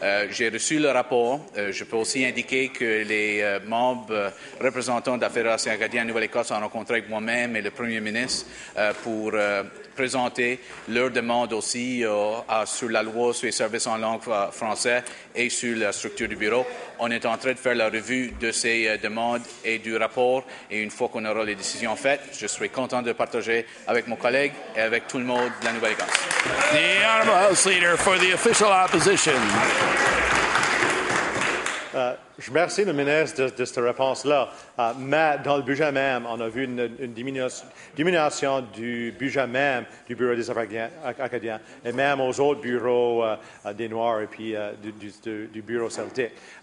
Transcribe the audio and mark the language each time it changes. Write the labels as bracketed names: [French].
[French] J'ai reçu le rapport. Je peux aussi indiquer que les membres représentants de la Fédération acadienne Nouvelle-Écosse ont rencontré avec moi-même et le premier ministre pour présenter leur demande aussi sur la loi sur les services en langue française et sur la structure du bureau. On est en train de faire la revue de ces demandes et du rapport, et une fois qu'on aura les décisions faites, je serai content de partager avec mon collègue et avec tout le monde de la Nouvelle-Écosse. [English] The Honourable House Leader for the Official Opposition. [French] Je remercie le ministre de cette réponse-là. Mais dans le budget même, on a vu une diminution du budget même du Bureau des Affaires acadiens et même aux autres bureaux des Noirs et puis du Bureau celtique.